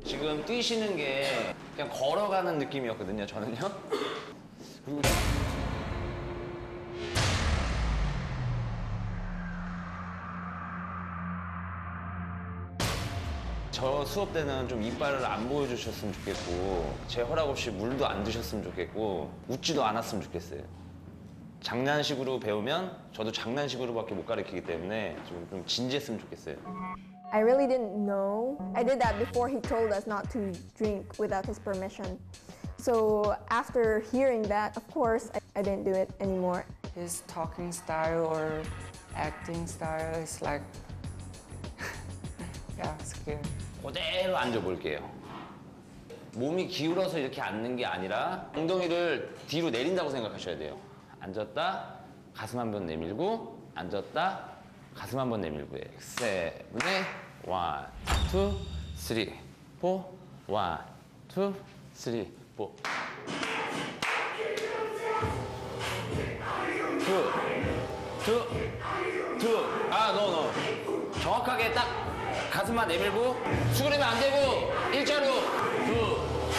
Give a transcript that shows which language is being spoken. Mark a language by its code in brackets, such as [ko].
[ko] 지금 뛰시는 게 그냥 걸어가는 느낌이었거든요 저는요 저 수업 때는 좀 이빨을 안 보여주셨으면 좋겠고 제 허락 없이 물도 안 드셨으면 좋겠고 웃지도 않았으면 좋겠어요 장난식으로 배우면 저도 장난식으로밖에 못 가르치기 때문에 좀 진지했으면 좋겠어요 [en] I really didn't know I did that before he told us not to drink without his permission So after hearing that, of course, I didn't do it anymore His talking style or acting style is like Yeah, [ko] 그대로 앉아볼게요. 몸이 기울어서 이렇게 앉는 게 아니라 엉덩이를 뒤로 내린다고 생각하셔야 돼요. 앉았다, 가슴 한번 내밀고 앉았다, 가슴 한번 내밀고 해. 세븐에 [en] 원, 투, 쓰리, 포 원, 투, 쓰리, 포 투, 투, [ko] 투 아, 노, 노 정확하게 딱 가슴만 내밀고 수그리면 안 되고 일자로 두.